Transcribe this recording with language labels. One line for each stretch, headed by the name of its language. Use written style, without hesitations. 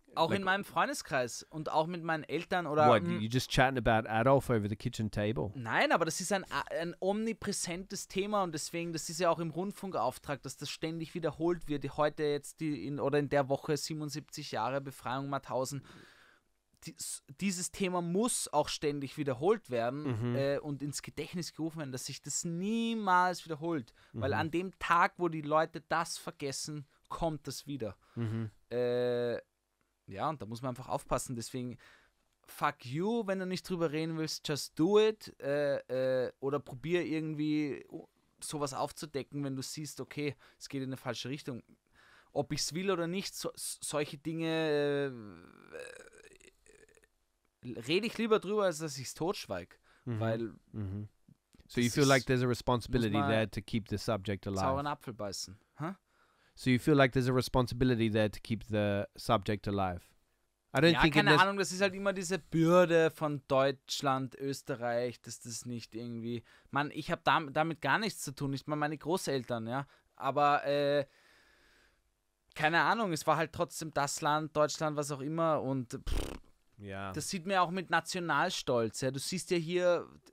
German: Auch like, in meinem Freundeskreis und auch mit meinen Eltern oder...
English: What, you're just chatting about Adolf over the kitchen table?
German: Nein, aber das ist ein omnipräsentes Thema und deswegen, das ist ja auch im Rundfunkauftrag, dass das ständig wiederholt wird. Heute jetzt in der Woche 77 Jahre Befreiung Mauthausen. Dieses Thema muss auch ständig wiederholt werden und ins Gedächtnis gerufen werden, dass sich das niemals wiederholt. Mhm. Weil an dem Tag, wo die Leute das vergessen, kommt das wieder. Mhm. Ja, und da muss man einfach aufpassen. Deswegen, fuck you, wenn du nicht drüber reden willst,
English: just do it.
German: Oder probier irgendwie sowas aufzudecken, wenn du siehst, okay, es geht in eine falsche Richtung. Ob ich es will oder nicht, solche Dinge rede ich lieber drüber, als dass ich es totschweig. Mm-hmm. Weil. Mm-hmm.
English: So you feel like there's a responsibility there to keep the subject alive.
German: Sauren Apfel beißen.
English: So you feel like there's a responsibility there to keep the subject alive. I don't think.
German: Keine Ahnung, das ist halt immer diese Bürde von Deutschland, Österreich, dass das nicht irgendwie. Man, ich habe damit gar nichts zu tun. Ich meine, meine Großeltern, ja. Aber keine Ahnung, es war halt trotzdem das Land, Deutschland, was auch immer. Und das sieht man ja auch mit Nationalstolz. Ja. Du siehst ja hier.